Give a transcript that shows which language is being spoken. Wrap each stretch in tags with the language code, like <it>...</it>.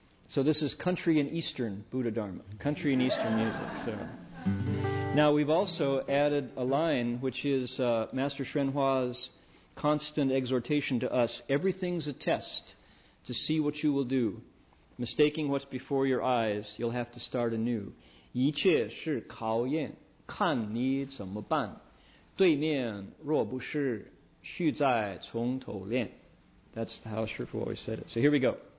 <en>So this is country and Eastern Buddha Dharma, country and Eastern music. So now we've also added a line, which is Master Shrenhua's constant exhortation to us. Everything's a test to see what you will do. Mistaking what's before your eyes, you'll have to start anew.</en> <zh>一切是考验,看你怎么办,对面若不是,续再从头练.</zh> <en>That's how Shrenhua always said it. So here we go.</en>